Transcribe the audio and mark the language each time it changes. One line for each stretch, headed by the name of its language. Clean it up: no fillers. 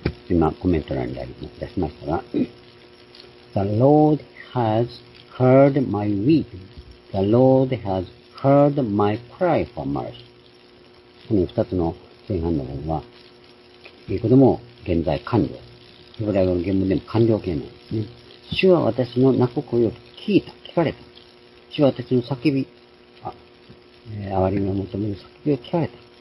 Japanese: 今、コメント欄にあり、出しましたが、
English: The Lord has heard my weeping. The Lord has heard my cry for mercy.
Japanese: この二つの前半の方は、英語でも現在完了。ヘブライ語の原文でも完了形なんですね。主は私の泣く声を聞いた、聞かれた。主は私の叫び、憐れみを求める叫びを聞かれた。